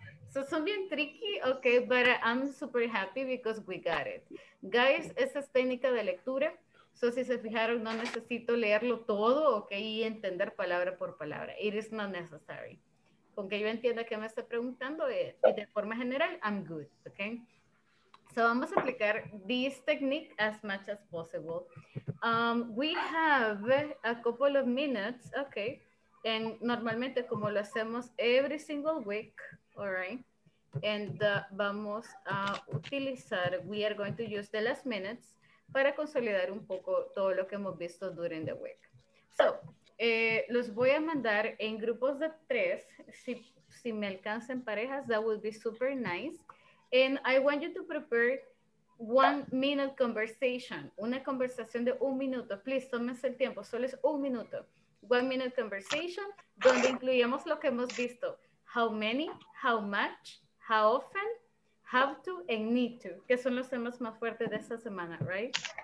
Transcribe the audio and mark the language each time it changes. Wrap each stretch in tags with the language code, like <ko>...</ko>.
<en>So</en> <es>son bien</es> <en>tricky, okay, but I'm super happy because we got it.</en> <es>Guys, esa es técnica de lectura. So si se fijaron, no necesito leerlo todo, okay, y entender palabra por palabra.</es> <en>It is not necessary.</en> <es>Con que yo entienda que me está preguntando y de forma general,</es> <en>I'm good, okay?</en> <es>So vamos a aplicar</es> <en>this technique as much as possible. We have a couple of minutes, okay. And</en> <es>normalmente como lo hacemos</es> <en>every single week, all right. And</en> <es>vamos a utilizar,</es> <en>we are going to use the last minutes</en> <es>para consolidar un poco todo lo que hemos visto</es> <en>during the week.</en> <es>So, los voy a mandar en grupos de tres. Si me alcanzan parejas,</es> <en>that would be super nice. And I want you to prepare 1 minute conversation.</en> <es>Una conversación de un minuto. Please, tómense el tiempo. Solo es un minuto.</es> <en>1 minute conversation,</en> <es>donde incluyamos lo que hemos visto.</es> <en>How many, how much, how often, how to, and need to.</en> <es>Que son los temas más fuertes de esta semana, right?</es>